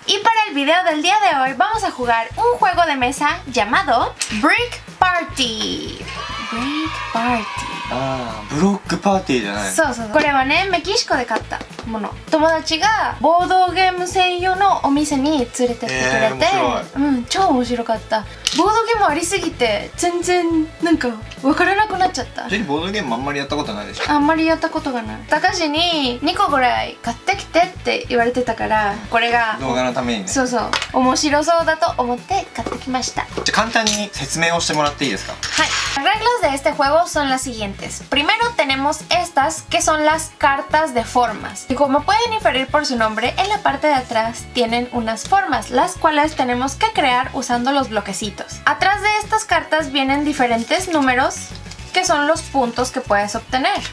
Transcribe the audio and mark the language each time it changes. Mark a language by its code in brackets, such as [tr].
[es] Y para el video del día de hoy vamos a jugar un juego de mesa llamado Brick Party. Brick Party. [ja] Ah, ブロックパーティーじゃない。そうそう。これはね、メキシコで買ったもの。友達がボードゲーム専用のお店に連れてってくれて、面白い。うん、超面白かった。ボードゲームありすぎて全然なんか分からなくなっちゃった。ジェリーボードゲームあんまりやったことないでしょ。あんまりやったことがない。タカシに2個ぐらい買ってきてって言われてたから、これが動画のためにね。そうそう、面白そうだと思って買ってきました。じゃあ簡単に説明をしてもらっていいですか。はい。 [es] Las reglas de este juego son las siguientes. Primero tenemos estas, que son las cartas de formas. Y como pueden inferir por su nombre, en la parte de atrás tienen unas formas, las cuales tenemos que crear usando los bloquecitos. Atrás de estas cartas vienen diferentes números, que son los puntos que puedes obtener.